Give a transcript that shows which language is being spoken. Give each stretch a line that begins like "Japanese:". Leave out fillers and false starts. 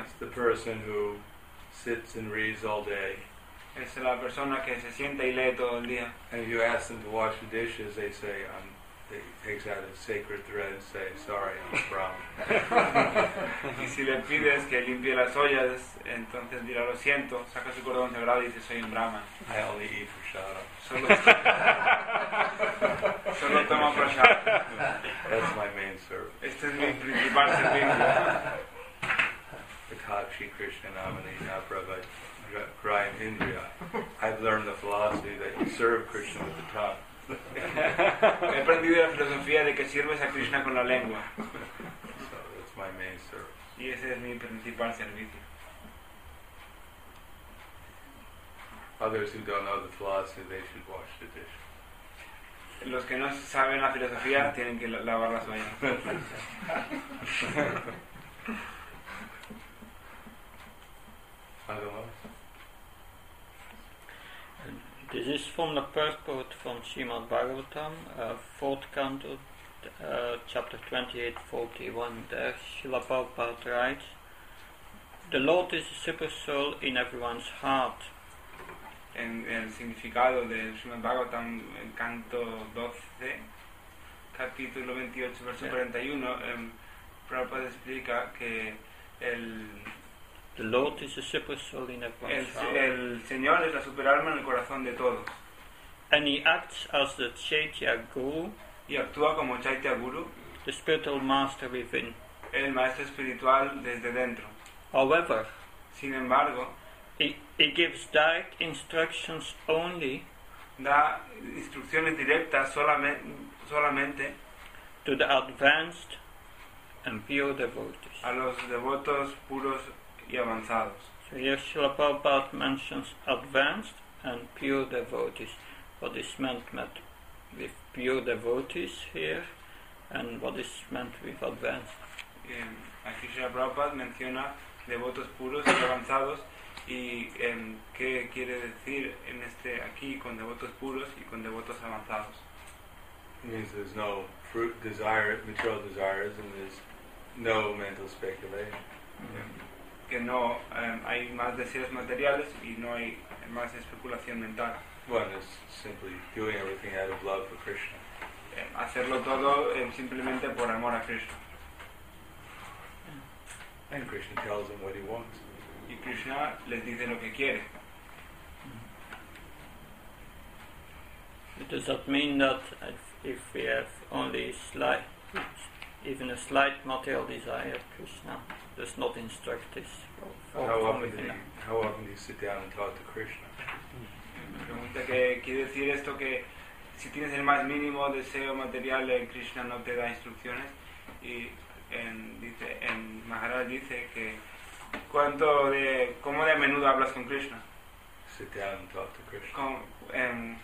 English: It's the person who sits and reads all day.
Spanish: Es la persona que se sienta y lee todo el día.
English: And if you ask them to wash the dishes, they say, he takes out a sacred thread and say, sorry, I'm a Brahmin.
Spanish: Y si le pides que limpie las ollas, entonces dirá, lo siento, saca su cordón sagrado y dice, soy un Brahmin.
English: I only eat for shara.
Spanish: Solo tomo for shara.
English: That's my main service.
Spanish: Este es mi principal servicio. The Kakshi Krishna Namani Naprabha Kriya Indriya.
English: I've learned the philosophy that you serve Krishna with the tongue.
Spanish: He aprendido la filosofía de que sirves a Krishna con la lengua.
English: So that's my main service.
Spanish: Y ese es mi principal servicio.
English: Others who don't know the philosophy, they should wash the dishes.
Spanish: Los que no saben la filosofía tienen que lavar las ollas. ¿Algo más?
English: This is from the purport from Srimad Bhagavatam, 4th canto, chapter 28-41. There, Srila Prabhupada writes, "The Lord is the super soul in everyone's heart."
Spanish: En el significado de Srimad Bhagavatam, canto 12, capítulo 28, verso 41, Prabhupada explica que el...
English: The Lord is the super soul in everyone's heart.
Spanish: El Señor es la superalma en el corazón de todos.
English: And he acts as the Chaitya Guru.
Spanish: Y actúa como Chaitya Guru.
English: The spiritual master within.
Spanish: El maestro espiritual desde dentro.
English: However,
Spanish: sin embargo,
English: he gives direct instructions only.
Spanish: Da instrucciones directas solamente.
English: To the advanced and pure devotees.
Spanish: A los devotos puros. Y avanzados.
English: So here Srila Prabhupada mentions advanced and pure devotees. What is meant with pure devotees here and what is meant with advanced?
Spanish: Aquí Srila Prabhupada menciona devotos puros y avanzados y qué quiere decir en este aquí con devotos puros y con devotos avanzados.
English: It means there's no fruit desire, material desires, and there's no mental speculation.
Spanish: Que no hay más deseos materiales y no hay más especulación mental.
English: Well, it's simply doing everything out of love for Krishna.
Spanish: Hacerlo todo simplemente por amor a Krishna.
English: And Krishna tells him what he wants.
Spanish: Y Krishna les dice lo que quiere.
English: Does that mean that if we have only even a slight material desire, Krishna does not instruct us. How often do you sit down and talk to Krishna?
Spanish: pregunta que quiere decir esto, que si tienes el más mínimo deseo material, Krishna no te da instrucciones. Y en Maharaj dice que ¿cómo de a menudo hablas con Krishna?
English: Sit down and talk to Krishna.